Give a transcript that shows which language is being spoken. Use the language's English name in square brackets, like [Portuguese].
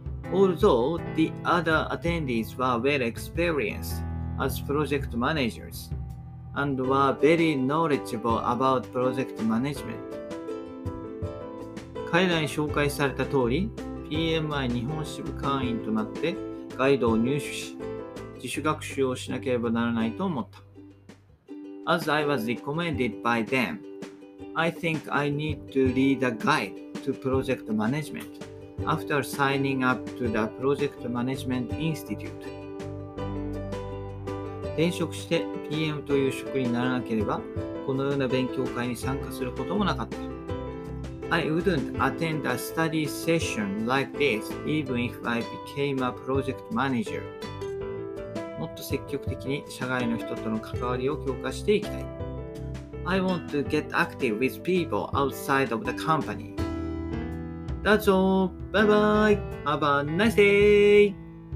[English] Although the other attendees were well experienced as project managers and were very knowledgeable about project management. [Japanese] 彼らに紹介された通り、PMI 日本支部会員となってガイドを入手し、自主学習をしなければならないと思った。 [English] As I was recommended by them, I think I need to read a guide to project management after signing up to the Project Management Institute. [Japanese] 転職して PM という職にならなければ、このような勉強会に参加することもなかった。 [English] I wouldn't attend a study session like this even if I became a project manager. [Japanese] もっと積極的に社外の人との関わりを強化していきたい。 [English] I want to get active with people outside of the company. That's all. Bye bye. Have a nice day.